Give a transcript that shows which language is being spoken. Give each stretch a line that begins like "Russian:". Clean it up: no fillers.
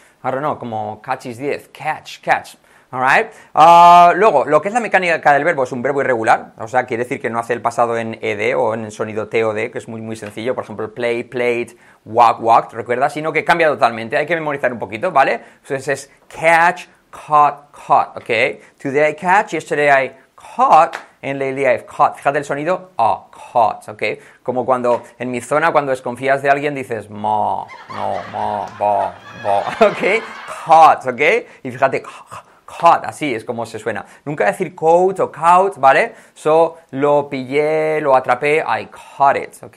Spanish: Ahora no, como
English: catch is 10, catch, catch. Alright.
Spanish: Luego, lo que es la mecánica del verbo es un verbo irregular, o sea, quiere decir que no hace el pasado en ed o en el sonido t o d, que es muy muy sencillo, por ejemplo, play, played, walk, walked, recuerda, sino que cambia totalmente, hay que memorizar un poquito, ¿vale? Entonces es catch, caught, caught, ¿ok?
English: Today I catch, yesterday I caught, and lately I've caught.
Spanish: Fíjate el sonido, a, caught, ¿ok? Como cuando, en mi zona, cuando desconfías de alguien, dices ma, no, ma, ba, ba, ¿ok? Caught, ¿ok? Y fíjate, caught, así es como se suena. Nunca decir coat o caught, ¿vale? So, lo pillé, lo atrapé,
English: I caught it,
Spanish: ¿ok?